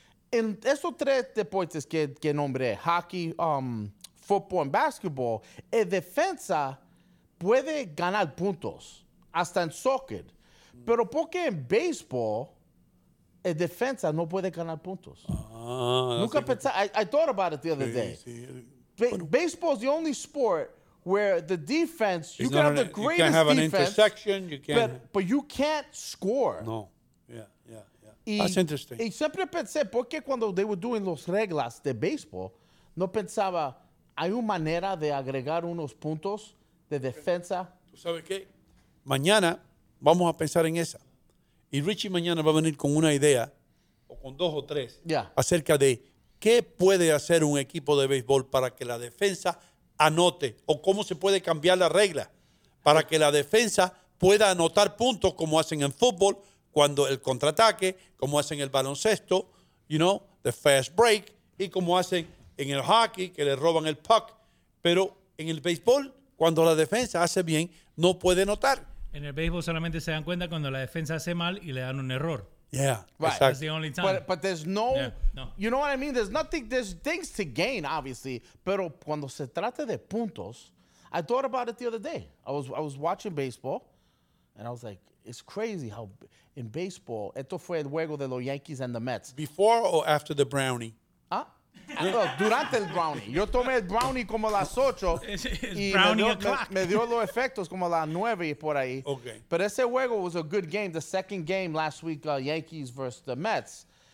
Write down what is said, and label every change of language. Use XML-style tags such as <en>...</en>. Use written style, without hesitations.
<es>En esos tres deportes que nombré, hockey, football and basketball, el defensa puede ganar puntos, hasta en soccer. Pero ¿por qué en baseball el defensa no puede ganar puntos? Nunca pensé,</es> <en>I thought about it the other day. Baseball is the only sport where the defense, you can have the greatest defense. You can't have defense, an intersection. You can't. But you can't score. No. Yeah. That's interesting.</en> <es>Y siempre pensé, ¿por qué cuando</es> <en>they were doing</en> <es>los reglas de baseball, no pensaba, hay una manera de agregar unos puntos de defensa? ¿Tú sabes qué? Mañana vamos a pensar en esa. Y Richie mañana va a venir con una idea, o con dos o tres, acerca de qué puede hacer un equipo de béisbol para que la defensa anote, o cómo se puede cambiar la regla para que la defensa pueda anotar puntos como hacen en fútbol cuando el contraataque, como hacen el baloncesto,</es> <en>you know, the fast break,</en> <es>y como hacen en el hockey que le roban el puck. Pero en el béisbol, cuando la defensa hace bien, no puede anotar. En el béisbol solamente se dan cuenta cuando la defensa hace mal y le dan un error.</es> <en>Yeah, right. Exactly. That's the only time. But there's no, you know what I mean? There's nothing, there's things to gain, obviously.</en> <es>Pero cuando se trata de puntos,</es> <en>I thought about it the other day. I was watching baseball, And I was like, it's crazy how in baseball,</en> <es>esto fue el juego de los Yankees</es> <en>and the Mets. Before or after the brownie?</en> <es>No, durante el brownie. Yo tomé el brownie como a las 8 y brownie me dio los efectos como a las 9 y por ahí.</es> <en>Okay.</en> <es>Pero ese juego</es> <en>was a good game. The second game last week, Yankees versus the Mets.</en>